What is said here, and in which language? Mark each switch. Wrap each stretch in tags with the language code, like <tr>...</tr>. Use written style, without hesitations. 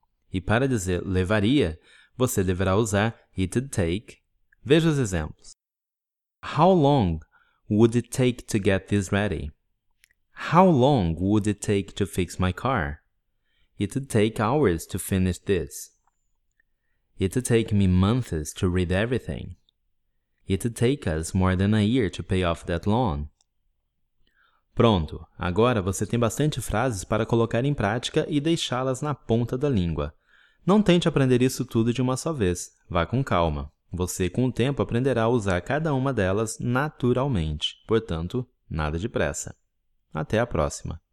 <pt>E para dizer levaria, você deverá usar</pt> <en>it'd take.</en> <pt>Veja os exemplos.</pt> <en>How long would it take to get this ready? How long would it take to fix my car? It'd take hours to finish this. It'd take me months to read everything. It'd take us more than a year to pay off that loan.</en> <pt>Pronto, agora você tem bastante frases para colocar em prática e deixá-las na ponta da língua. Não tente aprender isso tudo de uma só vez. Vá com calma. Você, com o tempo, aprenderá a usar cada uma delas naturalmente. Portanto, nada de pressa. Até a próxima!</pt>